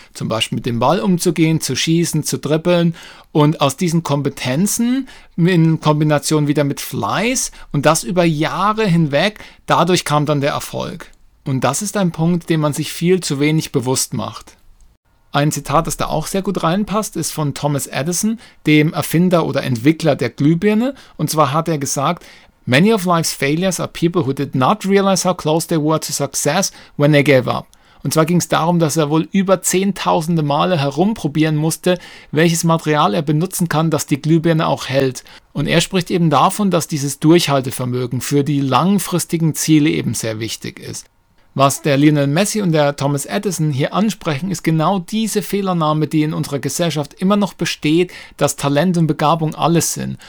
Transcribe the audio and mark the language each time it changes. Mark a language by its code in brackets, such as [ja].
[de] Zum Beispiel mit dem Ball umzugehen, zu schießen, zu dribbeln. Und aus diesen Kompetenzen in Kombination wieder mit Fleiß und das über Jahre hinweg, dadurch kam dann der Erfolg. Und das ist ein Punkt, den man sich viel zu wenig bewusst macht. Ein Zitat, das da auch sehr gut reinpasst, ist von Thomas Edison, dem Erfinder oder Entwickler der Glühbirne. Und zwar hat er gesagt, [en] "Many of life's failures are people who did not realize how close they were to success when they gave up." [de] Und zwar ging es darum, dass er wohl über zehntausende Male herumprobieren musste, welches Material er benutzen kann, das die Glühbirne auch hält. Und er spricht eben davon, dass dieses Durchhaltevermögen für die langfristigen Ziele eben sehr wichtig ist. Was der Lionel Messi und der Thomas Edison hier ansprechen, ist genau diese Fehlannahme, die in unserer Gesellschaft immer noch besteht, dass Talent und Begabung alles sind.